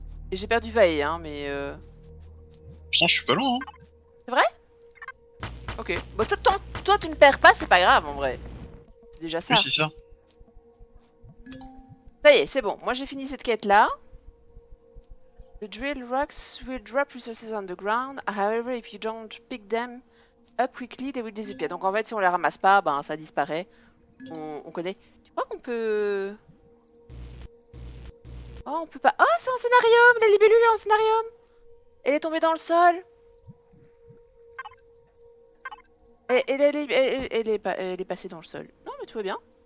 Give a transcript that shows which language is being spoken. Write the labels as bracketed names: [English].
[French] Et j'ai perdu Vae, hein, mais. Putain, je suis pas loin, hein. C'est vrai ? Ok, bah toi tu ne perds pas, c'est pas grave en vrai. C'est déjà ça. Oui, c'est ça. Ça y est, c'est bon. Moi j'ai fini cette quête là. [English] The drill rocks will drop resources on the ground. However, if you don't pick them up quickly, they will disappear. [French] Donc en fait, si on les ramasse pas, ben ça disparaît. On connaît. Tu crois qu'on peut. Oh, on peut pas. Oh, c'est un scénarium! La libellule est un scénarium! Elle est tombée dans le sol! Elle est passée dans le sol. Non, mais tout va bien.